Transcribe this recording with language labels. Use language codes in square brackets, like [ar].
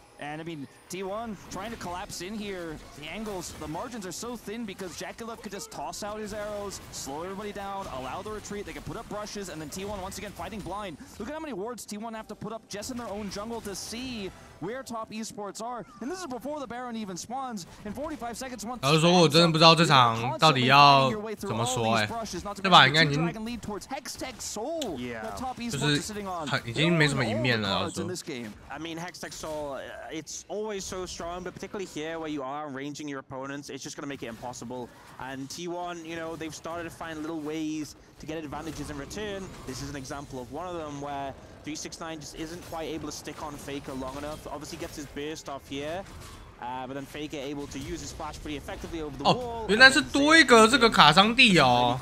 [en] And I mean, T1 trying to collapse in here. The angles, the margins are so thin because Jakulov could just toss out his arrows, slow everybody down, allow the retreat. They could put up brushes, and then T1 once again fighting blind. Look at how many wards T1 have to put up just in their own jungle to see where top esports are. And this is before the Baron even spawns. In 45 seconds, once. [zh] 老实说，我真的不知道这场到底要怎么说哎。这把应该已经，就是已经没什么赢面了，老实说。 [en] I mean, Hextech Soul. It's always so strong, but particularly here where you are ranging your opponents, it's just going to make it impossible. And T1, you know, they've started to find little ways to get advantages in return. This is an example of one of them where 369 just isn't quite able to stick on Faker long enough. Obviously gets his burst off here, but then Faker able to use his flash pretty effectively over the wall. [zh] 哦，原来是多一个这个卡桑蒂哦。